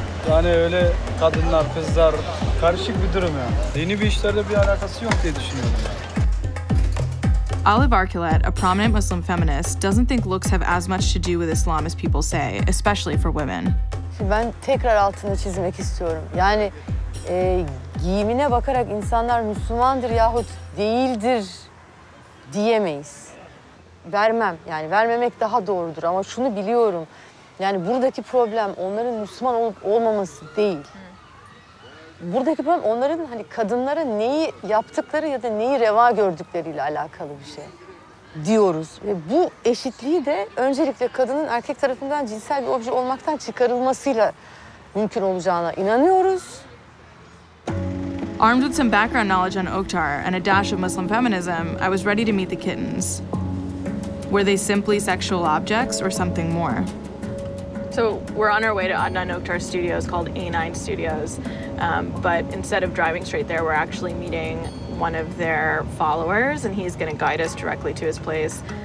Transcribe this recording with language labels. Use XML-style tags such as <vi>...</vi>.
<tr>Yani öyle kadınlar, kızlar karışık bir durum yani. Dini bir işlerle bir alakası yok diye düşünüyorum.</tr> <en>Olive Arkelet, a prominent Muslim feminist, doesn't think looks have as much to do with Islam as people say, especially for women.</en> <tr>Ben tekrar altını çizmek istiyorum. Yani giyimine bakarak insanlar Müslümandır yahut değildir diyemeyiz. Vermem. Yani vermemek daha doğrudur. Ama şunu biliyorum. Yani buradaki problem onların Müslüman olup olmaması değil. Buradaki problem onların hani kadınlara neyi yaptıkları ya da neyi reva gördükleriyle alakalı bir şey diyoruz. Ve bu eşitliği de öncelikle kadının erkek tarafından cinsel bir obje olmaktan çıkarılmasıyla mümkün olacağına inanıyoruz.</tr> <en>Armed with some background knowledge on Oktar and a dash of Muslim feminism, I was ready to meet the kittens. Were they simply sexual objects or something more? So we're on our way to Adnan Oktar's studios called A9 Studios, but instead of driving straight there, we're actually meeting one of their followers, and he's gonna guide us directly to his place.</en>